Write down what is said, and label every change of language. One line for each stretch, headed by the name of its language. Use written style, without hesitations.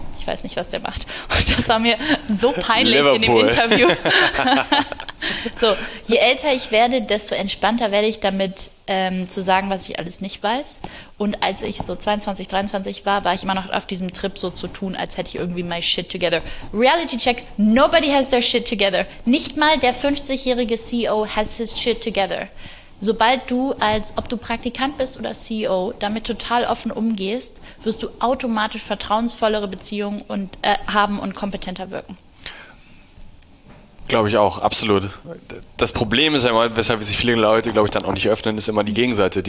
German: Ich weiß nicht, was der macht. Und das war mir so peinlich Liverpool. In dem Interview. So, je älter ich werde, desto entspannter werde ich damit, zu sagen, was ich alles nicht weiß. Und als ich so 22, 23 war, war ich immer noch auf diesem Trip, so zu tun, als hätte ich irgendwie
English: my shit together. Reality check, nobody has their shit together.
German: Nicht mal der 50-jährige
English: CEO has his shit together.
German: Sobald du als, ob du Praktikant bist oder CEO, damit total offen umgehst, wirst du automatisch vertrauensvollere Beziehungen und, haben und kompetenter wirken. Glaube ich auch, absolut. Das Problem ist ja immer, weshalb sich viele Leute, glaube ich, dann auch nicht öffnen, ist immer die Gegenseite.